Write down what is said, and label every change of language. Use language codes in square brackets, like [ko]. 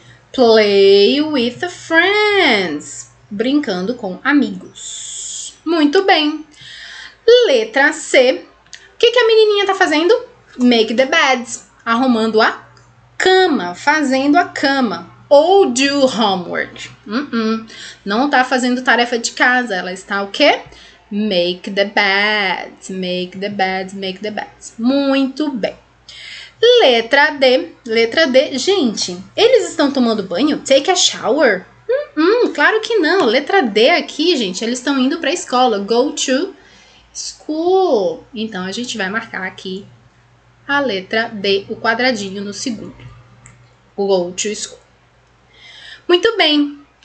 [en] Play with friends, [pt] brincando com amigos. Muito bem. Letra C. O que que a menininha tá fazendo? [en] Make the beds, [pt] arrumando a cama, fazendo a cama. Ou [en] do homework. [pt] Não tá fazendo tarefa de casa, ela está o quê? [en] Make the beds, make the beds, make the beds. [pt] Muito bem. Letra D, letra D. Gente, eles estão tomando banho? [en] Take a shower? [pt] Claro que não. Letra D aqui, gente, eles estão indo para a escola. [en] Go to school. [pt] Então, a gente vai marcar aqui a letra D, o quadradinho no segundo. [en] Go to school. [pt] Muito bem.